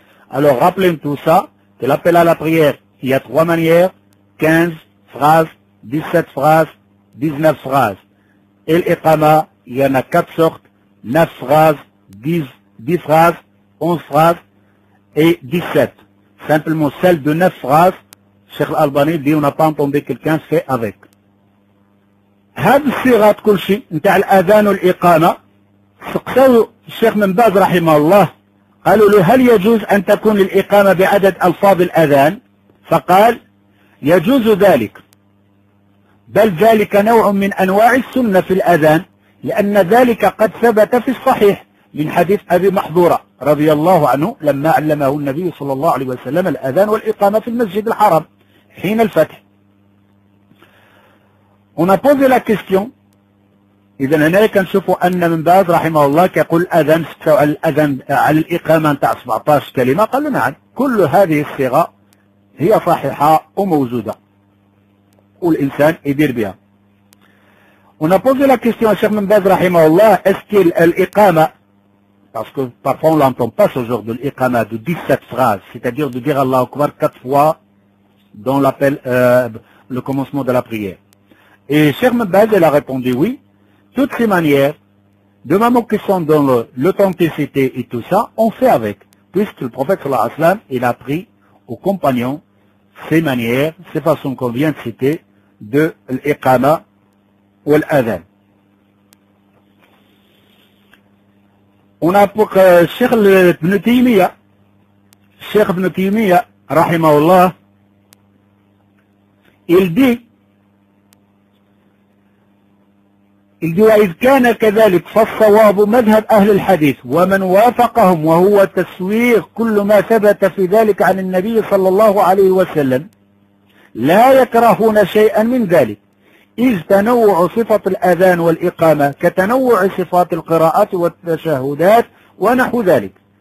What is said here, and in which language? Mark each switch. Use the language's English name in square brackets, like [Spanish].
[French] Alors, rappelons tout ça. Et l'appel à la prière, il y a trois manières, 15 phrases, 17 phrases, 19 phrases. Et l'iqama, il y en a quatre sortes, 9 phrases, 10 phrases, 11 phrases et 17. Simplement celle de 9 phrases, Cheikh Al-Albani dit, on n'a pas entendu quelqu'un se fait avec. [Arabic] Had sirat kulshi, nta al-adhan ou l'iqama, saqsaw Cheikh Mbaz rahimallah, قالوا له هل يجوز أن تكون الإقامة بعدد ألفاظ الأذان؟ فقال يجوز ذلك بل ذلك نوع من أنواع السنة في الأذان لأن ذلك قد ثبت في الصحيح من حديث أبي محظورة رضي الله عنه لما علمه النبي صلى الله عليه وسلم الأذان والإقامة في المسجد الحرام حين الفتح. [French] On a posé la question. [Arabic] إذا هنا كنشوفوا أن من باز رحمه الله كيقول أذن الأذن على الإقامة نتاع 17 كلمة قال نعم كل هذه الصيغة هي صحيحة وموجودة والإنسان يدير بها. [French] On a posé la question à Cheikh Mbaz رحمه الله est-ce que l'Iqama parce que parfois on l'entend pas ce genre de l'Iqama de 17 phrases c'est-à-dire de dire Allah Akbar 4 fois dans l'appel le commencement de la prière. Et Cheikh Mbaz elle a répondu oui. Toutes ces manières, de même qu'ils sont dans l'authenticité et tout ça, on fait avec. Puisque le prophète sallallahu alayhi wa sallam, il a appris aux compagnons ces manières, ces façons qu'on vient de citer, de l'iqama ou l'adhan. On a pour que Cheikh Ibn Taymiyyah, Cheikh Ibn Taymiyyah, rahimahullah, il dit, [Arabic] وإذ كان كذلك فالصواب مذهب أهل الحديث ومن وافقهم وهو تسويغ كل ما ثبت في ذلك عن النبي صلى الله عليه وسلم لا يكرهون شيئا من ذلك إذ تنوع صفة الأذان والإقامة كتنوع صفات القراءات والتشهدات ونحو ذلك